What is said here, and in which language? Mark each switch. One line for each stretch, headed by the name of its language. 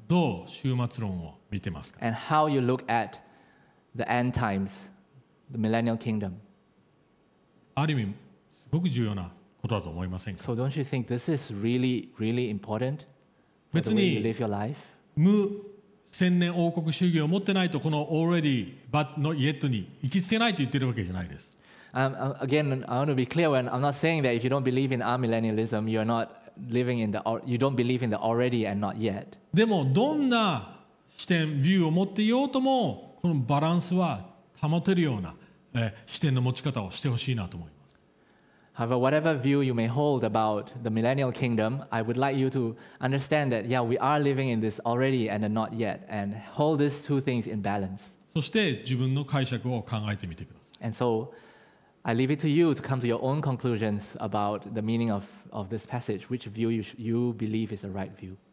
Japanese: どう終末論を見てますか?
English: And how you look at the end times, the millennial kingdom.
Japanese: ある意味ごく重要なことだと思いませんか。
English: So don't you think this is really, really important?
Japanese: 別に無千年王国主義を持ってないとこの
English: already but not yet
Japanese: に行き着けないと言ってるわけじゃないです。
English: Again, I want to be clear when I'm not saying that if you don't believe in amillennialism, you're not living in the you don't believe in the already and not yet.
Japanese: でもどんな視点ビューを持っていようともこのバランスは保てるような視点の持ち方をしてほしいなと思います。
English: However, whatever view you may hold about the millennial kingdom, I would like you to understand that, yeah, we are living in this already and not yet, and hold these two things in balance.
Japanese: そして自分の解釈を考えてみてください。
English: And so, I leave it to you to come to your own conclusions about the meaning of this passage, which view you believe is the right view.